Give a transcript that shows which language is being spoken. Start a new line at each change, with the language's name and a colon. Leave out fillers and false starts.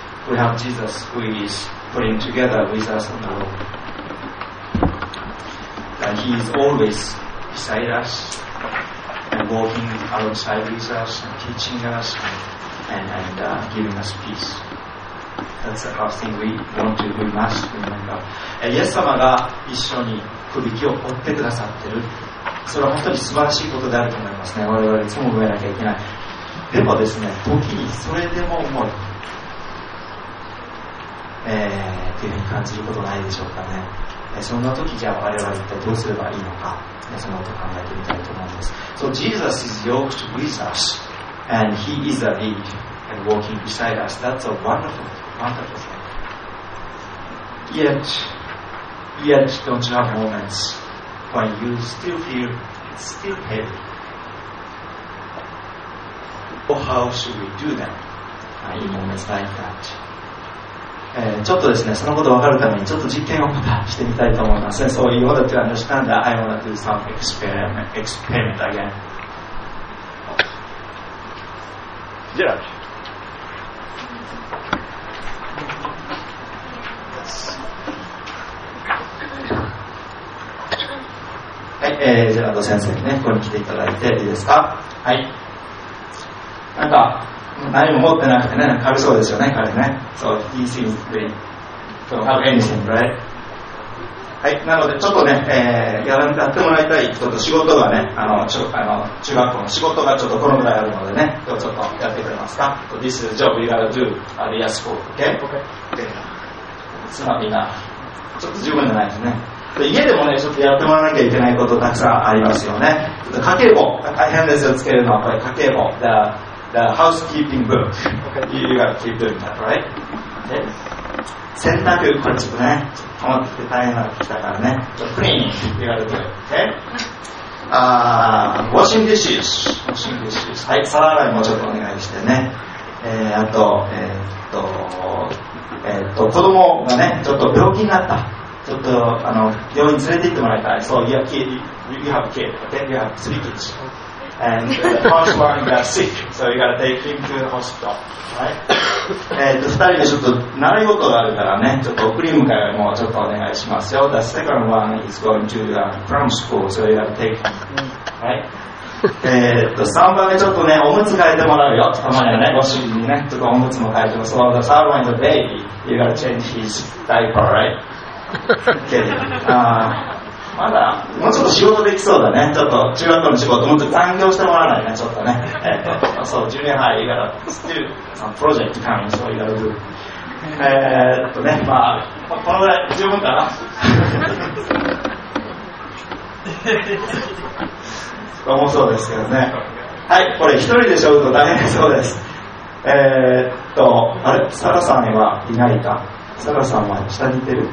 English: We have Jesus who is putting together with us on the road. And he is always beside us and walking alongside with us and teaching us and giving us peace. That's the first thing we must remember.
Japanese: イエス様が一緒に首輝を追ってくださってる。それは本当に素晴らしいことであると思いますね。我々はいつも覚えなきゃいけない。でもですね、時にそれでも重い。というふうに感じることないでしょうかね。そんな時じゃあ我々一体どうすればいいのか、そのことを考えてみたいと思うんです。
English: So Jesus is yoked with us, and he is a lead and walking beside us. That's a wonderful, wonderful thing. Yet, don't you have moments when you still feel it's still heavy? Or how should we do that? In moments like that.
Japanese: ちょっとですね、そのことを分かるためにちょっと実験をまたしてみたいと思います。
English: So in order to understand that, I want to do some experiment again. Gerard.
Japanese: はい、ジェラード先生にね、ここに来ていただいていいですか。はい。なんか何も持ってなくてね、軽そうですよね、彼ね。
English: So he seems really don't have anything, right?
Japanese: はい、なのでちょっとね、やってもらいたい、ちょっと仕事がね、あの中学校の仕事がちょっとこのぐらいあるのでね、今日ちょっとやってくれますか。
English: So this is a job you gotta do at the school, okay? Okay.
Japanese: つまみな。ちょっと十分じゃないですね。家でもね、ちょっとやってもらわなきゃいけないことたくさんありますよね。家計簿、大変ですよ、つけるのは、これ家計簿。
English: The housekeeping book. Okay. You gotta keep doing that, right? Okay.
Japanese: 洗濯、これちょっとね、困ってて大変なのが来たからね。
English: So, cleaning, you gotta do it, okay? Washing dishes. Washing dishes.
Japanese: はい、皿洗いもちょっとお願いしてね。あと、子供がね、ちょっと病気になった。ちょっと病院連れて行ってもらいたい。
English: So you have a kid, okay? You have three kids. And the first one got sick, so you gotta take him to the hospital, right?
Japanese: 二人でちょっと習い事があるからね、ちょっと送り迎えもちょっとお願いしますよ。
English: The second one is going to the cram school, so you gotta take him, right?
Japanese: 三番でちょっとね、おむつ替えてもらうよ、たまにはね、ご主人にね、ちょっとおむつも替えても。
English: So the third one is a baby, you gotta change his diaper, right? Okay.
Japanese: まだもうちょっと仕事できそうだね。ちょっと中学校の仕事もうちょっと残業してもらわないね。ちょっとね。
English: So junior high, you gotta still some project coming, so you gotta do.
Japanese: ね、まあこのぐらい十分かな。重そうですけどね。はい、これ一人でしょうと大変そうです。あれサラさんはいないか。サラさんは下にいてる。